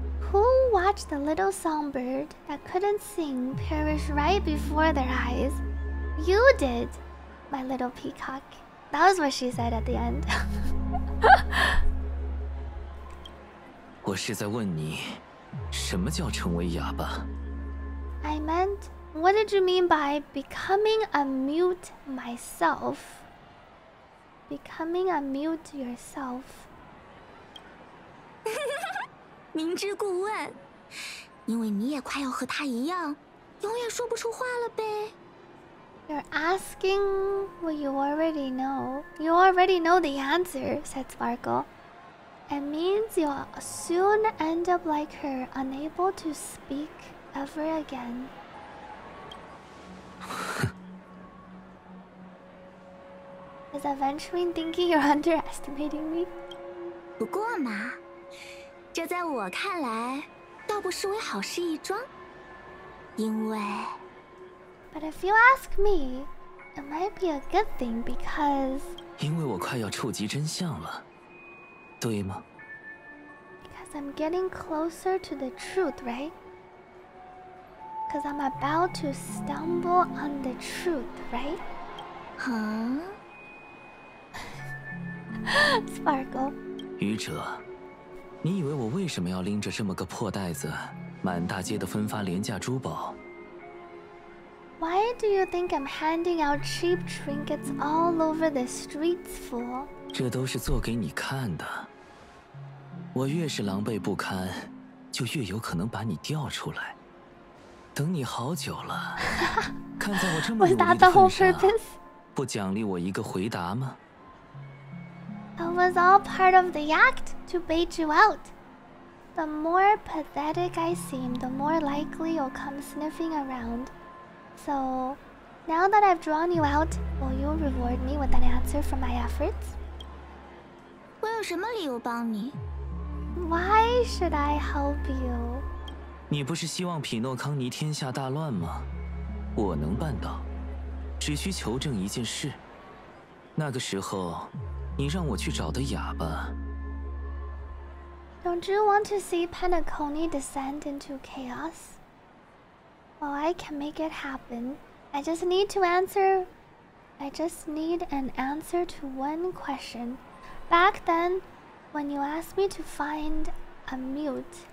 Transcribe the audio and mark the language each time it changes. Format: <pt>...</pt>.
<en>Who watched the little songbird that couldn't sing perish right before their eyes? You did, my little peacock. That was what she said at the end.</en> <zh>我是在问你，什么叫成为哑巴？</zh> <en>I meant, what did you mean by becoming a mute myself? Becoming a mute yourself.</en> <zh>明知故问，因为你也快要和他一样，永远说不出话了呗。</zh> <en>You're asking what you already know. You already know the answer, said Sparkle. It means you'll soon end up like her, unable to speak ever again. 哼。Is Aventurine thinking you're underestimating me?</en> <zh>不过嘛。这在我看来，倒不失为好事一桩。因为</zh> <en>，But if you ask me, it might be a good thing because.</en> <zh>因为我快要触及真相了，对吗</zh> <en>？Because I'm getting closer to the truth, right? Because I'm about to stumble on the truth, right? Huh? Sparkle.</en> <zh>愚者。你以为我为什么要拎着这么个破袋子满大街的分发廉价珠宝？</zh> <en>Why do you think I'm handing out cheap trinkets all over the streets, fool?</en> <zh>这都是做给你看的。我越是狼狈不堪，就越有可能把你钓出来。等你好久了，看在我这么努力的份上，不奖励我一个回答吗？</zh> <en>It was all part of the act to bait you out. The more pathetic I seem, the more likely you'll come sniffing around. So, now that I've drawn you out, will you reward me with an answer for my efforts?</en> <zh>我有什么理由帮你？</zh> <en>Why should I help you?</en> <zh>你不是希望匹诺康尼天下大乱吗？我能办到，只需求证一件事。那个时候，你让我去找的哑巴。</zh> <en>Don't you want to see Panacone descend into chaos? Well, I can make it happen. I just need an answer to one question. Back then, when you asked me to find a mute.</en>